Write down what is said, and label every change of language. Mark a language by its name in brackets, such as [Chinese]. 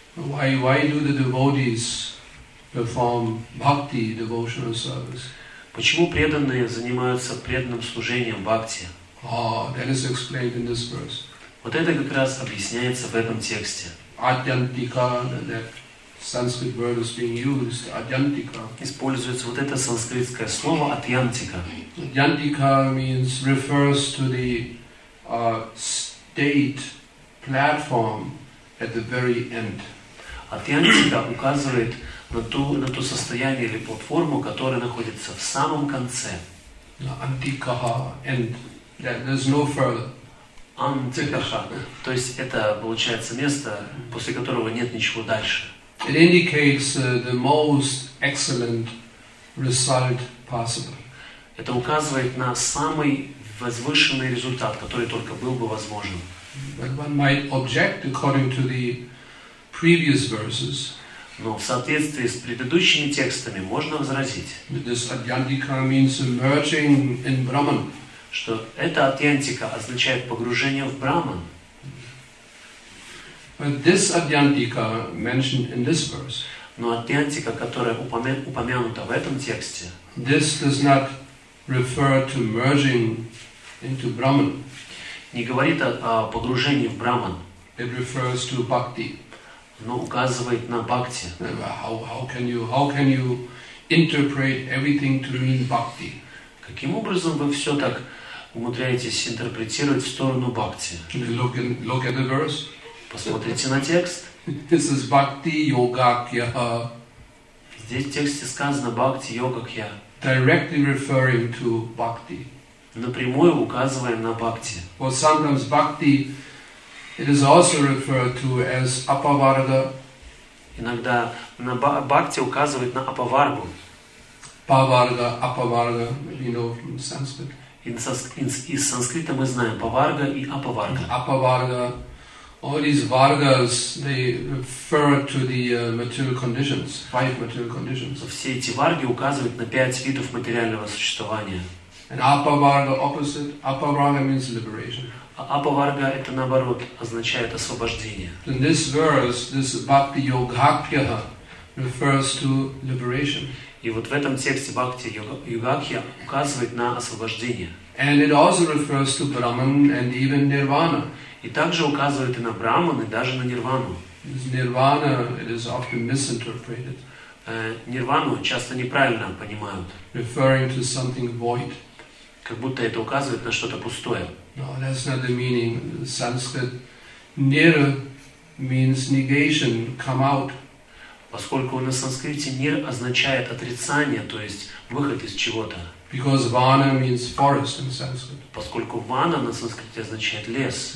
[English] Why do the devotees perform bhakti, devotional service? [Russian] Почему преданные занимаются преданным служением бхакти? [English] Oh, that is explained in this verse. [Russian] Вот это как раз объясняется в этом тексте. [English] Atyantika, that Sanskrit word is being used, atyantika. [Russian] Используется вот это санскритское слово atyantika. [English] Atyantika means refers to the state platform at the very end. [Russian] Атьянчика указывает на то состояние или платформу, которая находится в самом конце. [English] Антикаха, and there's no further. [Russian] Антикаха, то есть это получается место, после которого нет ничего дальше. [English] It indicates the most excellent result possible. [Russian] Это указывает на самый возвышенный результат, который только был бы возможен. [English] But one might object according to the previous verses. [Russian] Но в соответствии с предыдущими текстами можно возразить. [English] This adhyantika means emerging in Brahman. [Russian] Что эта адьянтика означает погружение в Брахман. [English] But this adhyantika mentioned in this verse. [Russian] Но адьянтика, которая упомянута в этом тексте. [English] This does not refer to merging into Brahman. [Russian] Не говорит о погружении в Брахман. [English] It refers to bhakti. [Russian] Но указывает на бхакти. [English] How can you interpret everything to mean bhakti? [Russian] Каким образом вы все так умудряетесь интерпретировать в сторону бхакти? [English] Look at the verse. [Russian] Посмотрите на текст. [English] This is bhakti yoga kya. [Russian] Здесь в тексте сказано бхакти йога кья. [English] Directly referring to bhakti. [Russian] Напрямую указываем на бхакти. [English] Well, sometimes bhakti it is also referred to as apavarga. [Russian] Иногда на бхакти указывает на апаваргу. [English] Паварга, апаварга, you know from Sanskrit. [Russian] Из санскрита мы знаем паварга и апаварга. [English] Апаварга, all these vargas, they refer to the material conditions, five material conditions. [Russian] Все эти варги указывают на пять видов материального существования. [English] And апаварга opposite, апаварга means liberation. [Russian] А апаварга это наоборот означает освобождение. [English] In this verse, this bhakti yogakya refers to liberation. [Russian] И вот в этом тексте бхакти йогакья указывает на освобождение. [English] And it also refers to Brahman and even Nirvana. [Russian] И также указывает и на Брахман, и даже на Нирвану. [English] Nirvana it is often misinterpreted. [Russian] Нирвану часто неправильно понимают. [English] Referring to something void. [Russian] Как будто это указывает на что-то пустое. [English] No, that's not the meaning. Sanskrit nira means negation, come out. [Russian] Поскольку на санскрите нир означает отрицание, то есть выход из чего-то. [English] Because vana means forest in Sanskrit. [Russian] Поскольку vana на санскрите означает лес.